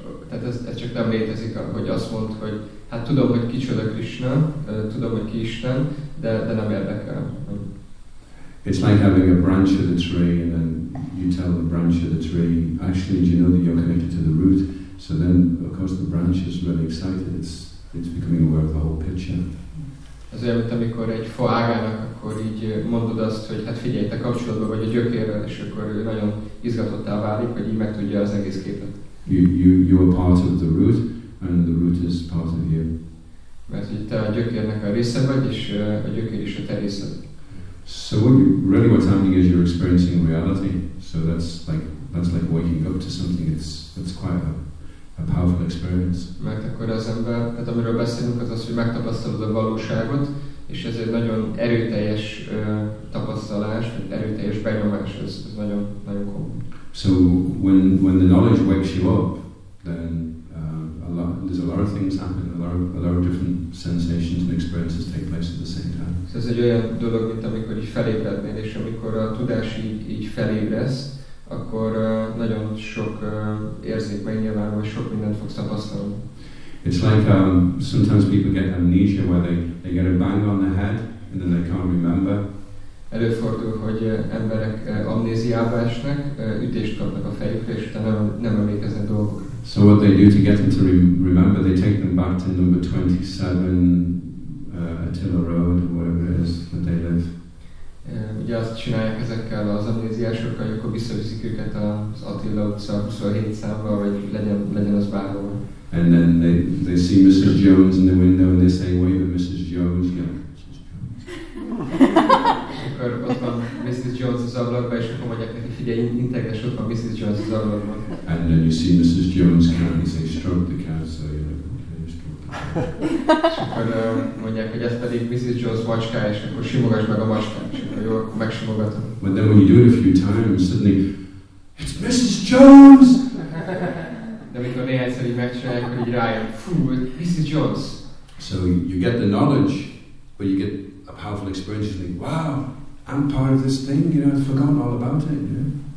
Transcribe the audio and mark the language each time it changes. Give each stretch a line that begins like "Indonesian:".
Hungarian: Tehát ez csak nem létezik, hogy azt mond, hogy hát tudom, hogy kicsoda Krishna, tudom, hogy ki Isten, de nem érdekel.
English: It's like having a branch of the tree and then you tell the branch of the tree, actually, do you know that you're connected to the root? So then, of course, the branch is really excited. It's becoming aware of the whole picture.
Hungarian: Ez olyan, mint amikor egy fa ágának, akkor így mondod azt, hogy hát figyelj, te kapcsolatban vagy a gyökérrel, és akkor ő nagyon izgatottá válik, hogy így megtudja az egész képet.
English: You are part of the root, and the root is part of you.
Hungarian: Mert hogy te a gyökérnek a része vagy, és a gyökér is a te részed.
English: So what's happening is you're experiencing reality. So that's like waking up to something. It's quite a powerful experience.
Hungarian: Mert akkor az ember, tehát amiről beszélünk, az, hogy megtapasztalod a valóságot, és ez egy nagyon erőteljes tapasztalás, vagy erőteljes benyomás, ez nagyon, nagyon komoly.
English: So when the knowledge wakes you up, then there's a lot of things happen, a lot of different sensations and experiences take place at the same time.
Hungarian: So ez egy olyan dolog, mint amikor így felébrednél, és amikor a tudás így felébresz, akkor nagyon sok érzék megnyilvánul, vagy sok mindent fogsz tapasztalni.
English: It's like sometimes people get amnesia, where they get a bang on the head and then they can't remember.
Hungarian: Előfordul, hogy emberek amnéziába esnek, ütést kapnak a fejükre, és utána nem emlékeznek dolgokra.
English: So what they do to get them to remember, they take them back to number 27 Attila Road, wherever it is that they live.
Hungarian: Ugye azt csinálják ezekkel az amnéziásokkal, akkor visszaviszik őket az Attila utca 27 számra, vagy legyen az bárhol.
English: And then they see Mrs. Jones in the window and they say, wait, but Mrs. Jones, yeah, Mrs. Jones.
Hungarian: Akkor ott van Mrs. Jones az ablakban, és akkor mondják neki, figyelj, integes, ott van Mrs. Jones az ablakban.
English: And then you see Mrs. Jones can't, he says, stroke the cat, so you know, okay, just stroke the cat.
Hungarian: Akkor mondják, hogy ez pedig Mrs. Jones macska, és akkor simogass meg a macskát, és akkor jó, akkor megsimogatom.
English: But then when you do it a few times, suddenly, it's Mrs. Jones!
Hungarian: De amikor néhányszer így megcsinálják, akkor így rájön, fú, Mrs. Jones.
English: So you get the knowledge, but you get a powerful experience, you think, wow, I'm part of this thing, you know, I've forgotten all about it, you know.